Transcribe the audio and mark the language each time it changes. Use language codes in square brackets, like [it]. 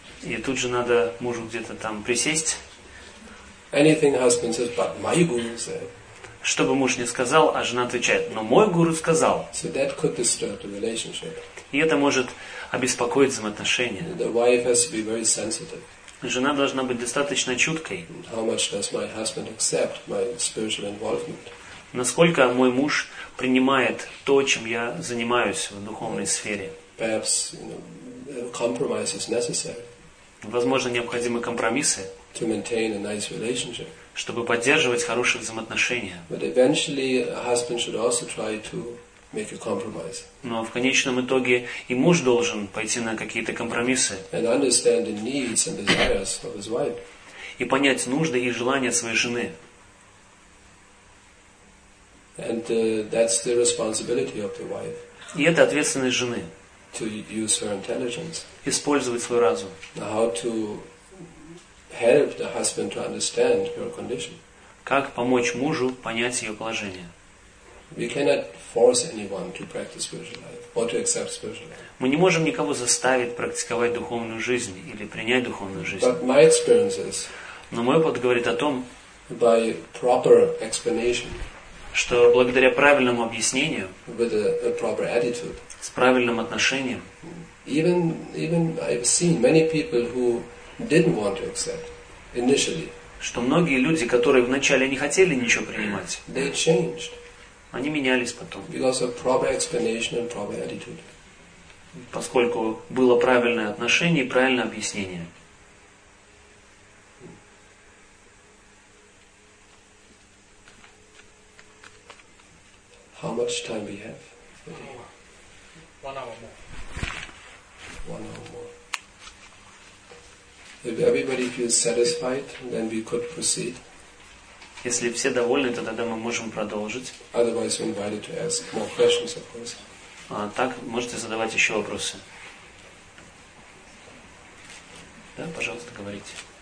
[ru] И тут же надо мужу где-то там присесть. [en] Anything husband says, but my guru said. [ru] Что бы муж ни сказал, а жена отвечает, но мой гуру сказал. [en] So that could disturb the relationship. [ru] И это может обеспокоить взаимоотношения. [en] The wife has to be very sensitive. [ru] Жена должна быть достаточно чуткой. [en] How much does my husband accept my spiritual involvement? [ru] Насколько мой муж принимает то, чем я занимаюсь в духовной сфере? [en] Perhaps, you know, compromise is necessary. [ru] Возможно, необходимы компромиссы, [en] to maintain a nice relationship. [ru] Чтобы поддерживать хорошие взаимоотношения. [en] But eventually, a husband should also try to make a compromise. [ru] Но в конечном итоге и муж должен пойти на какие-то компромиссы. [en] And understand the needs and desires of his wife. [ru] И понять нужды и желания своей жены. [en] And that's the responsibility of the wife. [ru] И это ответственность жены. [en] To use her intelligence. [ru] Использовать свой разум. [en] How to help the husband to understand her condition. [ru] Как помочь мужу понять ее положение. [en] We cannot force anyone to practice spiritual life or to accept spiritual life. [ru] Мы не можем никого заставить практиковать духовную жизнь или принять духовную жизнь. [en] But my experience is. [ru] Но мой опыт говорит о том. [en] By proper explanation. [ru] Что благодаря правильному объяснению. [en] With a proper attitude. [ru] С правильным отношением. [en] Even I've seen many people who didn't want to accept initially. [ru] Что многие люди, которые вначале не хотели ничего принимать. [en] They changed. [ru] Они менялись потом. [en] Because of proper explanation and proper attitude. [ru] поскольку было правильное отношение и правильное объяснение. [en] How much time we have? One hour more. If everybody feels satisfied, then we could proceed. [ru] Если все довольны, тогда мы можем продолжить. [en] Otherwise, we're invited to ask more questions, of course. [ru] А так можете задавать еще вопросы. Да, пожалуйста, говорите.